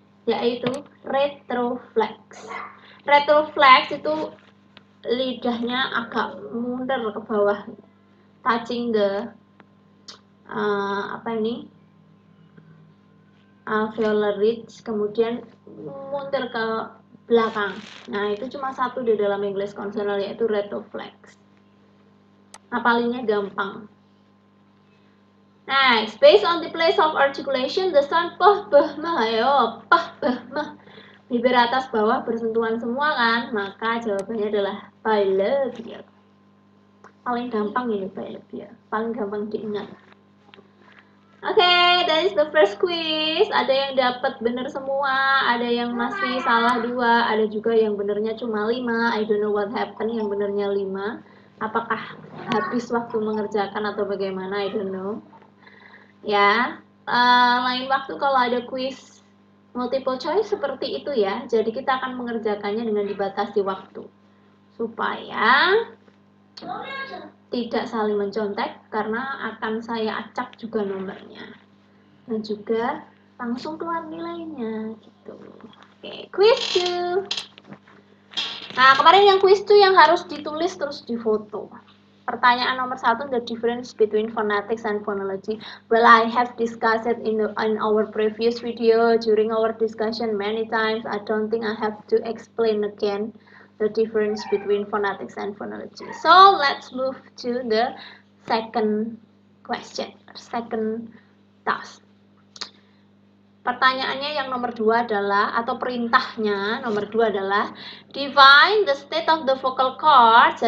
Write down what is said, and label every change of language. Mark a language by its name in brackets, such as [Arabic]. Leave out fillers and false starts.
[Indonesian] yaitu retroflex. Retroflex itu lidahnya agak mundur ke bawah, touching the apa ini, alveolar ridge, kemudian mundur ke belakang. Nah, itu cuma satu di dalam English Consonant, yaitu retroflex. Apalinya gampang. [English] Next, based on the place of articulation, the sound poh, beh, meh, ayo, poh, beh, meh. [Indonesian] Bibir atas bawah bersentuhan semua kan? Maka jawabannya adalah bilabial. Paling gampang ini bilabial. Paling gampang diingat. Okay, that is the first quiz. Ada yang dapat benar semua, ada yang masih salah 2, ada juga yang benarnya cuma 5. I don't know what happened, yang benarnya 5. Apakah habis waktu mengerjakan atau bagaimana? I don't know. Ya, lain waktu kalau ada quiz multiple choice seperti itu ya. Jadi kita akan mengerjakannya dengan dibatasi waktu supaya tidak saling mencontek, karena akan saya acak juga nomornya dan juga langsung keluar nilainya gitu. Oke, quiz 2. Nah, kemarin yang quiz 2 yang harus ditulis terus difoto. Pertanyaan nomor 1, the difference between phonetics and phonology. [English] Well, I have discussed it in our previous video during our discussion many times. I don't think I have to explain again the difference between phonetics and phonology. So let's move to the second question, second task. [Indonesian] Pertanyaannya yang nomor 2 adalah, atau perintahnya nomor 2 adalah, define the state of the vocal cords.